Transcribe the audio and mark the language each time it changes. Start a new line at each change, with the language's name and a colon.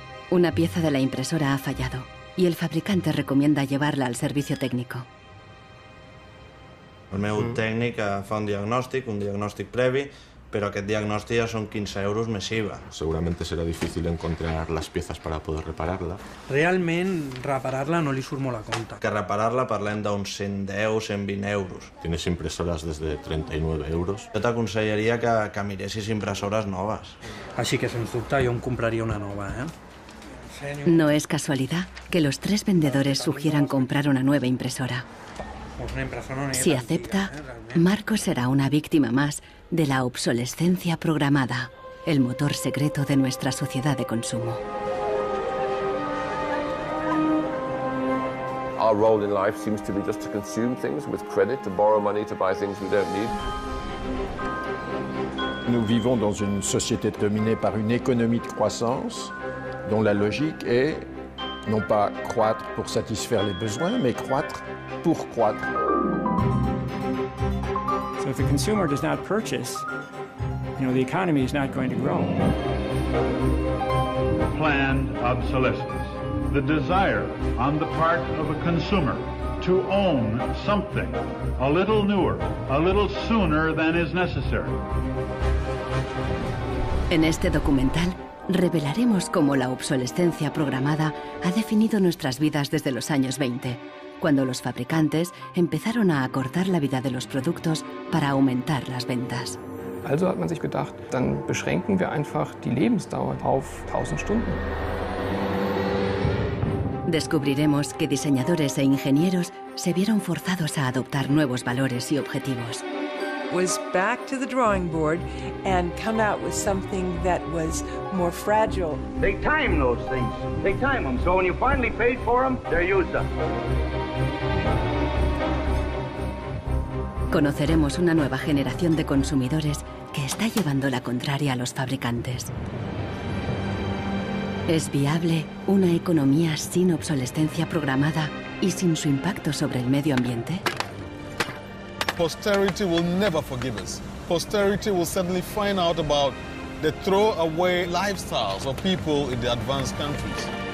Spanish: Una pieza de la impresora ha fallado y el fabricante recomienda llevarla al servicio técnico.
Catalan: El meu tècnic fa un diagnòstic previ, però aquest diagnòstic ja són 15 euros més IVA. Segurament serà difícil encontrar les peces per poder reparar-la. Realment, reparar-la no li surt molt a compte. Que reparar-la parlem d'uns 110-120 euros. Tienes impressores des de 39 euros. Jo t'aconsellaria que miressis impressores noves. Així que, sens dubte, jo em compraria una nova, eh?
Spanish: No es casualidad que los tres vendedores sugieran comprar una nueva impresora. Si acepta, Marco será una víctima más de la obsolescencia programada, el motor secreto de nuestra sociedad de consumo.
English: Our role in life seems to be just to consume things with credit, to borrow money to buy things we don't need.
French: Nous vivons dans une société dominée par une économie de croissance, dont la logique est non pas croître pour satisfaire les besoins, mais croître pour croître.
English: So if the consumer does not purchase, you know, the economy is not going to grow. Planned obsolescence, the desire on the part of a consumer to own something a little newer, a little sooner than is necessary.
Spanish: En este documental, revelaremos cómo la obsolescencia programada ha definido nuestras vidas desde los años 20, cuando los fabricantes empezaron a acortar la vida de los productos para aumentar las ventas.
German: Also hat man sich gedacht, dann beschränken wir einfach die Lebensdauer auf 1000 Stunden.
Spanish: Descubriremos que diseñadores e ingenieros se vieron forzados a adoptar nuevos valores y objetivos.
English: Was back to the drawing board and come out with something that was more fragile. Take time, those things. Take time them. So when you finally paid for them, they're used up.
Spanish: Conoceremos una nueva generación de consumidores que está llevando la contraria a los fabricantes. ¿Es viable una economía sin obsolescencia programada y sin su impacto sobre el medio ambiente?
English: Posterity will never forgive us. Posterity will suddenly find out about the throwaway lifestyles of people in the advanced countries.